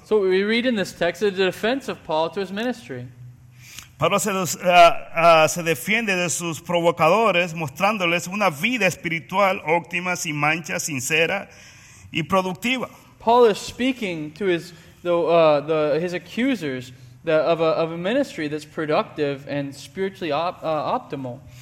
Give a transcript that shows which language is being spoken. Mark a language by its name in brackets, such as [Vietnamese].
[English] So what we read in this text is a defense of Paul to his ministry. [Spanish] Pablo se defiende de sus provocadores mostrándoles una vida espiritual óptima, sin mancha, sincera y productiva. [English] Paul is speaking to his accusers of a ministry that's productive and spiritually optimal.